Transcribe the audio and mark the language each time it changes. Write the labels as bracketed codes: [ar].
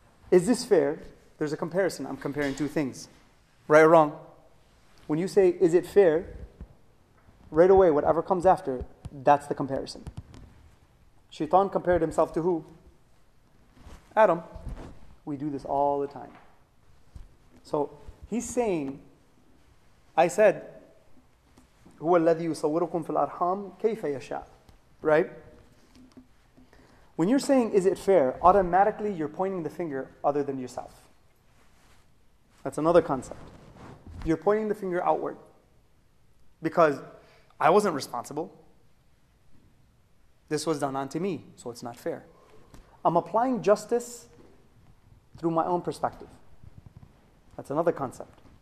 [en] Is this fair? There's a comparison. I'm comparing two things. Right or wrong? When you say, is it fair? Right away, whatever comes after, that's the comparison. Shaitan compared himself to who? Adam. We do this all the time. So he's saying, I said, [ar] هُوَ الَّذِي يُصَوِّرُكُمْ فِي الْأَرْحَامِ كَيْفَ يَشَاءُ. [en] Right? When you're saying, is it fair, automatically you're pointing the finger other than yourself. That's another concept. You're pointing the finger outward. Because I wasn't responsible. This was done unto me, so it's not fair. I'm applying justice through my own perspective. That's another concept.